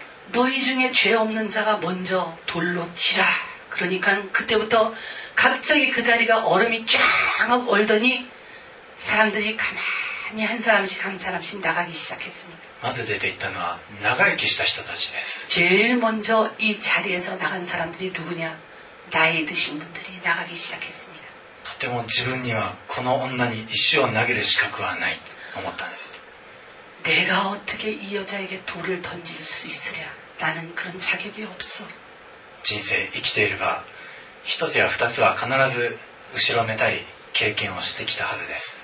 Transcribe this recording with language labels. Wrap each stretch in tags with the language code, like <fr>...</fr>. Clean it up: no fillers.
<ko>너희중에죄없는자가먼저돌로치라그러니까그때부터갑자기그자리가얼음이쫙얼더니사람들이가만히한사람씩한사람씩나가기시작했습니다</ko> <ja>まず出て行ったのは長生きした人たちです</ja> <ko>제일먼저이자리에서나간사람들이누구냐나이드신분들이나가기시작했습니다</ko> <ja>とても自分にはこの女に石を投げる資格はないと思ったんです</ja> <ko>내가어떻게이여자에게돌을던질수있으랴나는그런자격이없어</ko> <ja>人生生きていれば一つや二つは必ず後ろめたい経験をしてきたはずです</ja>